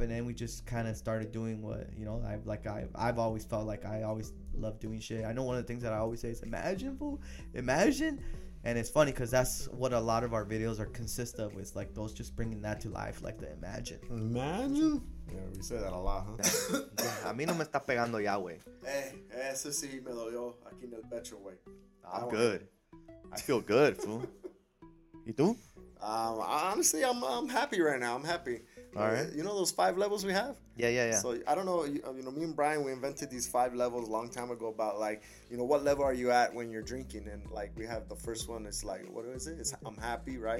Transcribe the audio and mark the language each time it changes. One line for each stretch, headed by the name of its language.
English: And then we just kind of started doing what, you know, I've always felt like I always love doing shit. I know one of the things that I always say is imagine, fool, imagine. And it's funny because that's what a lot of our videos are consist of, is like those just bringing that to life, like the imagine. Imagine? Yeah, we say that a lot, huh?
Spanish: A mí no me está pegando ya, güey. Hey, eso sí me dolió aquí en el pecho, güey.
English: I'm good. I feel good, fool.
Spanish: ¿Y tú?
English: Honestly, I'm happy right now. I'm happy. All right. You know those five levels we have? Yeah. So, I don't know. You know, me and Brian, we invented these five levels a long time ago about, like, you know, what level are you at when you're drinking? And, like, we have the first one. It's like, what is it? It's I'm happy, right?